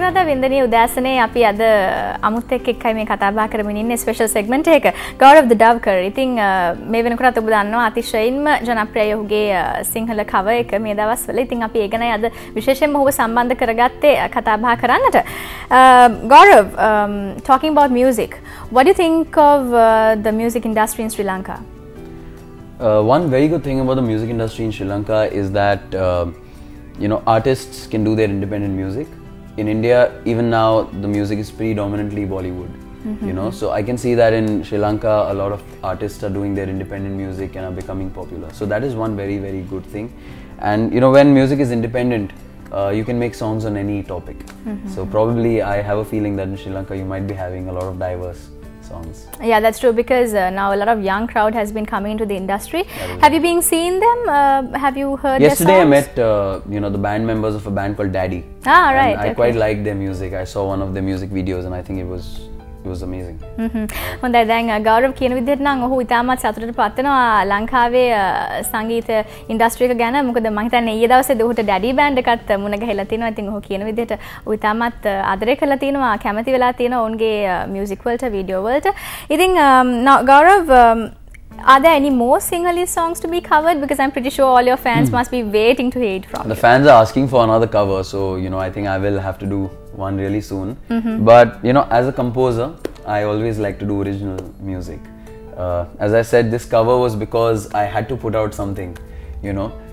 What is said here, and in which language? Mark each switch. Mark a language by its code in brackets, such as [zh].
[si] වින්දනේ උදෑසනේ අපි අද අමුත් එක්කයි මේ කතා බහ කරමින් ඉන්නේ ස්පෙෂල් සෙග්මන්ට් එක ගෞරව් ද ඩව් කර. ඉතින් මේ වෙනකොටත් ඔබ දන්නවා අතිශයින්ම ජනප්‍රිය ඔහුගේ සිංහල කවර් එක මේ දවස්වල. ඉතින් අපි ඒ ගැනයි අද විශේෂයෙන්ම ඔබ සම්බන්ධ කරගත්තේ කතා බහ කරන්නට. [en] Gaurav, talking about music, what do you think of the music industry in Sri Lanka? One very good thing about the music industry in Sri Lanka is that you know, artists can do their independent music. In India, even now, the music is predominantly Bollywood, you know. So I can see that in Sri Lanka, a lot of artists are doing their independent music and are becoming popular. So that is one very, very good thing. And, you know, when music is independent, you can make songs on any topic. So probably I have a feeling that in Sri Lanka, you might be having a lot of diverse songs. Yeah, that's true, because now a lot of young crowd has been coming into the industry. Have you been seeing them? Have you heard yesterday their songs? Yesterday I met, you know, the band members of a band called Daddy. Ah, right. And I quite like their music. I saw one of their music videos and I think it was amazing. [si] හොඳයි, දැන් ගෞරව කියන විදිහට නම් ඔහු ඉතාමත් සතුටට පත් වෙනවා ලංකාවේ සංගීත ඉන්ඩස්ට්‍රි එක ගැන. මොකද මම හිතන්නේ ඊයේ දවසේදී ඔහුට ඩැඩි බෑන්ඩ් එකත් මුණ ගැහිලා තිනවා. ඉතින් ඔහු කියන විදිහට ඔහු ඉතාමත් ආදරය කරලා තිනවා, කැමති වෙලා තිනවා ඔවුන්ගේ මියුසික් වලට, වීඩියෝ වලට. ඉතින් ගෞරව, [en] are there any more Singhali songs to be covered? Because I'm pretty sure all your fans must be waiting to hear it from the you. Fans are asking for another cover, so you know, I think I will have to do one really soon. But you know, as a composer, I always like to do original music. As I said, this cover was because I had to put out something, you know.